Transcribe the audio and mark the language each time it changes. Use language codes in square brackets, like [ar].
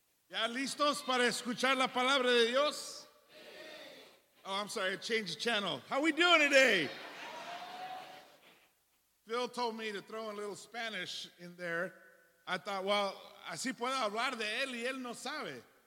[es] ¿Ya listos para escuchar la palabra de Dios? [en] Oh, I'm sorry, I changed the channel. How we doing today? Phil told me to throw a little Spanish in there. I thought, well, [es] así puedo hablar de él y él no sabe.